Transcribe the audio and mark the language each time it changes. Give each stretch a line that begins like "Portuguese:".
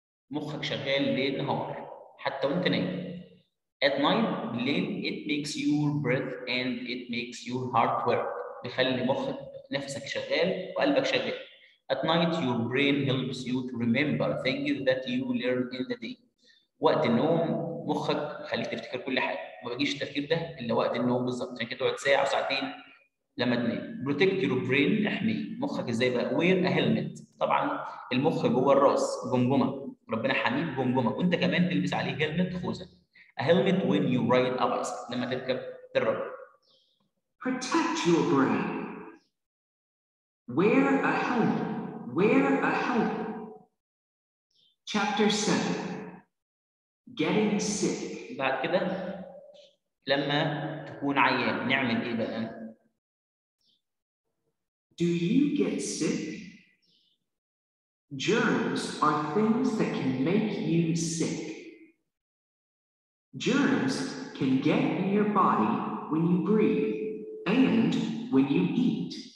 Arabic: مخك شغال ليل نهار حتى وانت نايم.
English: At night,
Arabic: بالليل,
English: it makes your breath and it makes your heart work.
Arabic: بيخلي مخك نفسك شغال وقلبك شغال.
English: At night, your brain helps you to remember things that you learn in the day.
Arabic: وقت النوم مخك خليك تفتكر كل حاجة. ما بيجيش التفكير ده إلا وقت النوم بالظبط. عشان كده تقعد ساعة أو ساعتين لما تنام.
English: Protect your brain,
Arabic: احمي مخك ازاي بقى؟
English: Wear a helmet.
Arabic: طبعا المخ جوه الراس جمجمة. ربنا حميك جمجمة. وأنت كمان تلبس عليه هيلمت خوذة.
English: A helmet when you ride a bicycle.
Arabic: لما تركب دراجة.
English: Protect your brain. Wear a helmet. Wear a helmet. Chapter 7. Getting sick.
Arabic: بعد كده لما تكون عيان نعمل ايه بقى؟
English: Do you get sick? Germs are things that can make you sick. Germs can get in your body when you breathe and when you eat.